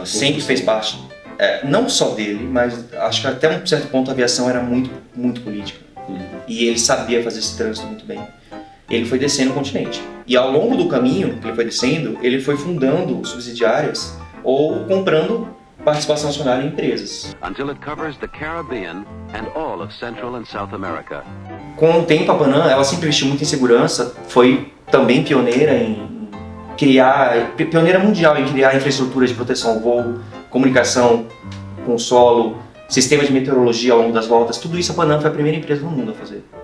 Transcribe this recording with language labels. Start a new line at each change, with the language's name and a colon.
Portuguese: Sempre fez parte, não só dele, mas acho que até um certo ponto a aviação era muito, muito política. E ele sabia fazer esse trânsito muito bem. Ele foi descendo o continente. E ao longo do caminho que ele foi descendo, ele foi fundando subsidiárias ou comprando participação acionária em empresas.
English: Until it covers the Caribbean and all of Central and South America.
Portuguese: Com o tempo, a Pan Am, ela sempre investiu muito em segurança, foi também pioneira em criar, pioneira mundial em criar infraestruturas de proteção ao voo, comunicação com o solo, sistema de meteorologia ao longo das voltas, tudo isso a Pan Am foi a primeira empresa do mundo a fazer.